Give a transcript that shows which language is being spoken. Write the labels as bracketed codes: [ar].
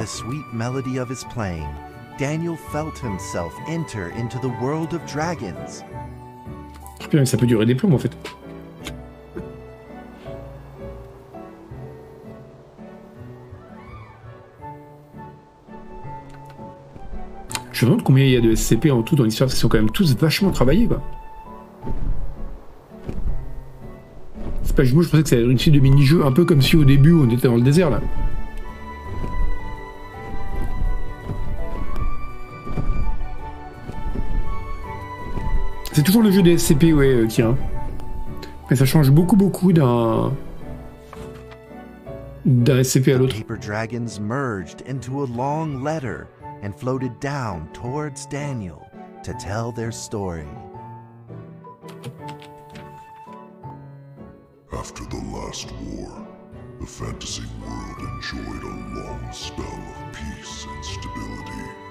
[en] In the sweet melody of his playing, Daniel felt himself enter into the world of dragons. [fr] Putain, ça peut durer des plombes en fait. Je me demande combien il y a de SCP en tout dans l'histoire, parce qu'ils sont quand même tous vachement travaillés, quoi. Moi, je pensais que ça allait être une suite de mini-jeux, un peu comme si au début on était dans le désert là. C'est toujours le jeu des SCP, ouais, tiens. Mais ça change beaucoup, beaucoup d'un SCP à l'autre. [en] Les paper dragons merged into a long letter and floated down towards Daniel to tell their story. After the last war, the fantasy world enjoyed a long spell of peace and stability.